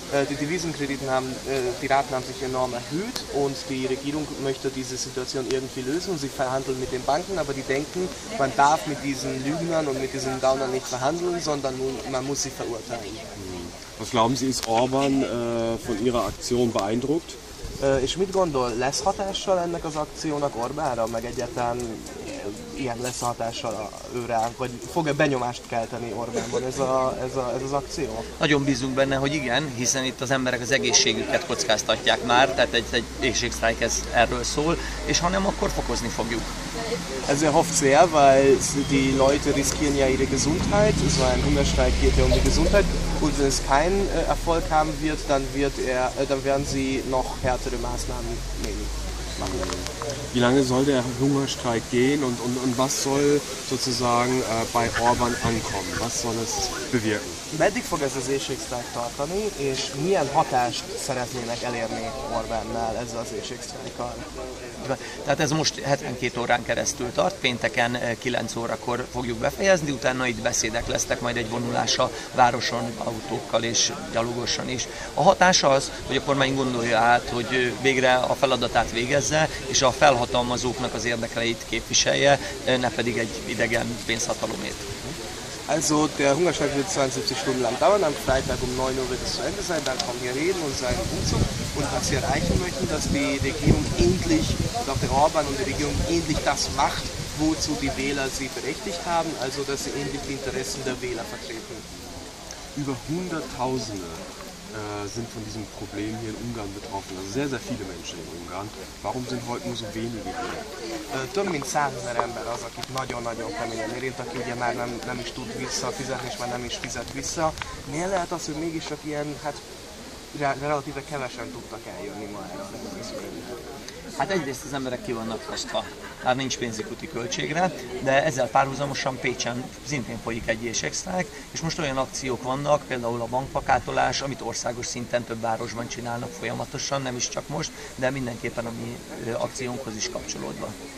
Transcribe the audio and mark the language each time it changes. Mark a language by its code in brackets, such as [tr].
[de] Die Devisenkrediten haben, die Raten haben sich enorm erhöht und die Regierung möchte diese Situation irgendwie lösen. Sie verhandeln mit den Banken, aber die denken, man darf mit diesen Lügnern und mit diesen Gaunern nicht verhandeln, sondern man muss sie verurteilen. Was glauben Sie, ist Orbán von Ihrer Aktion beeindruckt? [hu] És mit gondol, lesz hatással ennek az akciónak Orbánra, meg egyáltalán ilyen lesz hatással őre, vagy fog-e benyomást kelteni Orbánban ez az akció? Nagyon bízunk benne, hogy igen, hiszen itt az emberek az egészségüket kockáztatják már, tehát egy éjségsztrájk ez erről szól, és ha nem, akkor fokozni fogjuk. [de] Ez er hofft sehr, weil die Leute riskieren ja ihre Gesundheit, so ein Hungerstreik geht ja um die Gesundheit, und wenn es keinen Erfolg haben wird, dann werden sie noch härtere Maßnahmen nehmen. Wie lange soll der Hungerstreik gehen und was soll sozusagen bei Orbán ankommen? Was soll es bewirken? [hu] Meddig fog ez az éjségsztrájk tartani, és milyen hatást szeretnének elérni Orbánnál ezzel az éjségsztrájkkal? Tehát ez most 72 órán keresztül tart, pénteken 9 órakor fogjuk befejezni, utána itt beszédek lesznek, majd egy vonulás a városon, autókkal és gyalogosan is. A hatása az, hogy a kormány gondolja át, hogy végre a feladatát végezze, és a felhatalmazóknak az érdekeit képviselje, ne pedig egy idegen pénzhatalomét. [de] Also der Hungerstreik wird 72 Stunden lang dauern, am Freitag um 9 Uhr wird es zu Ende sein, dann kommen wir reden und sagen Umzug und was wir erreichen möchten, dass die Regierung endlich, doch der Orbán und die Regierung endlich das macht, wozu die Wähler sie berechtigt haben, also dass sie endlich die Interessen der Wähler vertreten. Über Hunderttausende sind von diesem Problem hier in Ungarn betroffen. Also sehr, sehr viele Menschen in Ungarn. Warum sind heute nur so wenige hier? [hu] Több mint 100.000 ember az, akit nagyon-nagyon keményen érint, aki ugye már nem is tud visszafizetni, és már nem is fizet vissza. Milyen lehet az, hogy mégis csak ilyen, hát relatíve kevesen tudtak eljönni ma erre a rendszerűen? Hát egyrészt az emberek ki vannak fosztva, már nincs pénzük úti költségre, de ezzel párhuzamosan Pécsen szintén folyik egy éjségsztrájk, és most olyan akciók vannak, például a bankpakátolás, amit országos szinten több városban csinálnak folyamatosan, nem is csak most, de mindenképpen a mi akciónkhoz is kapcsolódva.